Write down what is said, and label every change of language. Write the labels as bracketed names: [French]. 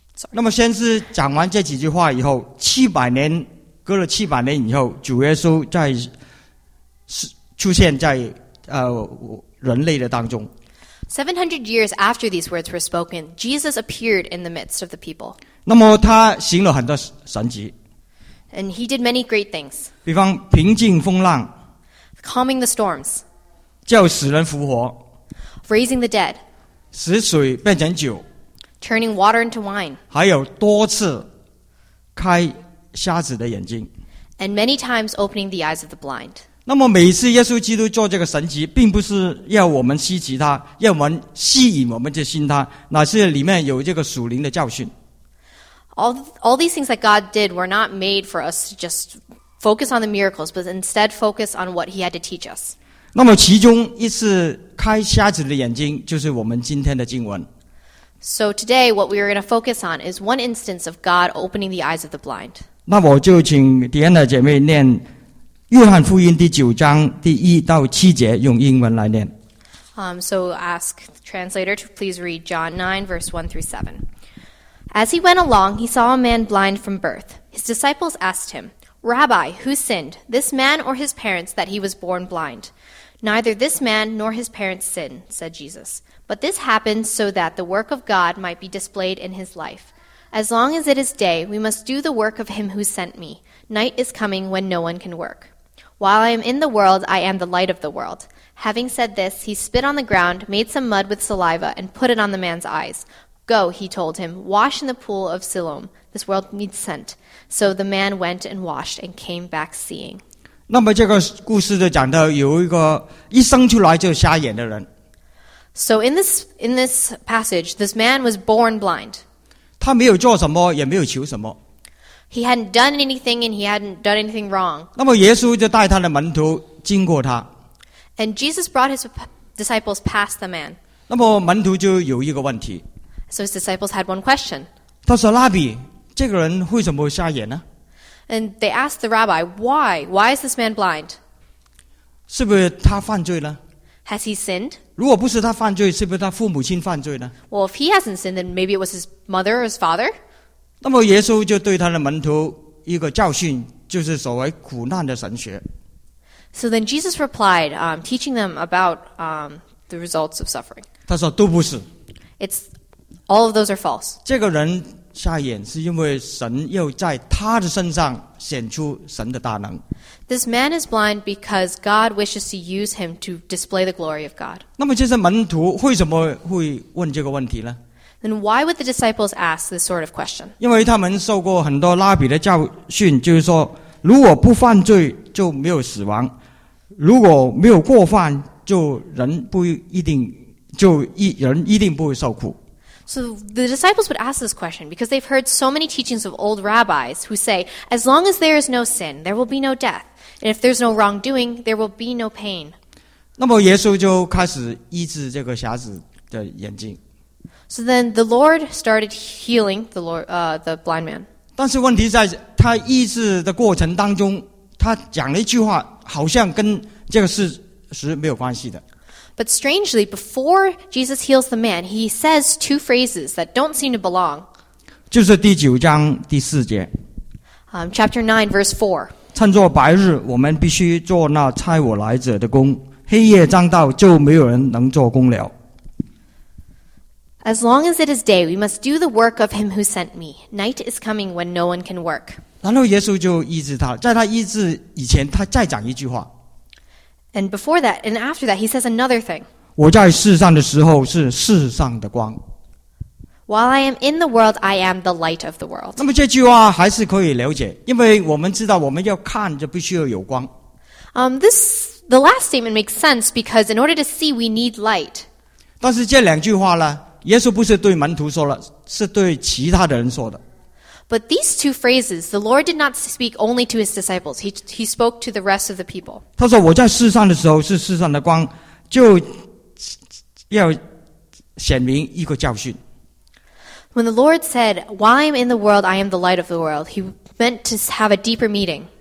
[Chinese] 那么先知讲完这几句话以后，七百年，隔了七百年以后，主耶稣在出现在人类的当中。 [English] 700 years after these words were spoken, Jesus appeared in the midst of the people. [Chinese] 那么他行了很多神迹。 [English] And he did many great things. [Chinese] 比方平静风浪。 [English] Calming the storms. [Chinese] 叫死人复活。 [English] Raising the dead. [Chinese] 使水变成酒。 [English] Turning water into wine. [Chinese] 还有多次开瞎子的眼睛。 [English] And many times opening the eyes of the blind. [Chinese] 那么每次耶稣基督做这个神迹，并不是要我们稀奇他，要我们吸引我们的心他，乃是里面有这个属灵的教训。 [English] All these things that God did were not made for us to just focus on the miracles, but instead focus on what He had to teach us. [Chinese] 那么其中一次开瞎子的眼睛，就是我们今天的经文。 [English] So today, what we are going to focus on is one instance of God opening the eyes of the blind. [Chinese] 那我就请迪安娜姐妹念约翰福音第九章第一到七节，用英文来念。 [English] So ask the translator to please read John 9, verse 1 through 7. As he went along, he saw a man blind from birth. His disciples asked him, Rabbi, who sinned, this man or his parents, that he was born blind? Neither this man nor his parents sinned, said Jesus. But this happened so that the work of God might be displayed in his life. As long as it is day, we must do the work of him who sent me. Night is coming when no one can work. While I am in the world, I am the light of the world. Having said this, he spit on the ground, made some mud with saliva, and put it on the man's eyes. Go, he told him, wash in the pool of Siloam. This world needs scent. So the man went and washed and came back seeing. [Chinese] 那么这个故事就讲到有一个一生出来就瞎眼的人。 [English] So in this passage, this man was born blind. [Chinese] 他没有做什么，也没有求什么。 [English] He hadn't done anything and he hadn't done anything wrong. [Chinese] 那么耶稣就带他的门徒经过他。 [English] And Jesus brought his disciples past the man. [Chinese] 那么门徒就有一个问题。 [English] So his disciples had one question. [Chinese] 他说，拉比，这个人为什么瞎眼呢？ [English] And they asked the rabbi, why? Why is this man blind? [Chinese] 是不是他犯罪了？ [English] Has he sinned? [Chinese] 如果不是他犯罪，是不是他父母亲犯罪呢？ [English] Well, if he hasn't sinned, then maybe it was his mother or his father. [Chinese] 那么耶稣就对他的门徒一个教训，就是所谓苦难的神学。 [English] So then Jesus replied, teaching them about the results of suffering. [Chinese] 他说都不是。 [English] It's... All of those are false. [Chinese] 这个人瞎眼是因为神要在他的身上显出神的大能。 [English] This man is blind because God wishes to use him to display the glory of God. [Chinese] 那么这些门徒为什么会问这个问题呢？ [English] Then why would the disciples ask this sort of question? [Chinese] 因为他们受过很多拉比的教训，就是说，如果不犯罪就没有死亡，如果没有过犯，就人一定不会受苦。 [English] So the disciples would ask this question because they've heard so many teachings of old rabbis who say, as long as there is no sin, there will be no death. And if there's no wrongdoing, there will be no pain. [Chinese] 那么耶稣就开始医治这个瞎子的眼睛。 [English] So then the Lord started healing the blind man. [Chinese] 但是问题在他医治的过程当中，他讲了一句话，好像跟这个事实没有关系的。 [English] But strangely, before Jesus heals the man, he says two phrases that don't seem to belong. [Chinese] 就是第九章第四节。 [English] Chapter 9, verse 4. [Chinese] 趁着白日，我们必须做那差我来者的工。黑夜将到，就没有人能做工了。 [English] As long as it is day, we must do the work of him who sent me. Night is coming when no one can work. [Chinese] 然后耶稣就医治他，在他医治以前，他再讲一句话。 [English] And before that, and after that, he says another thing. [Chinese] 我在世上的时候是世上的光。 [English] While I am in the world, I am the light of the world. [Chinese] 那么这句话还是可以了解，因为我们知道我们要看就必须要有光。 [English] The last statement makes sense because in order to see, we need light. [Chinese] 但是这两句话呢，耶稣不是对门徒说了，是对其他的人说的。 [English] But these two phrases, the Lord did not speak only to his disciples. He spoke to the rest of the people. [Chinese] 他说我在世上的时候是世上的光，就要显明一个教训。 [English] When the Lord said, while I'm in the world, I am the light of the world, he meant to have a deeper meaning.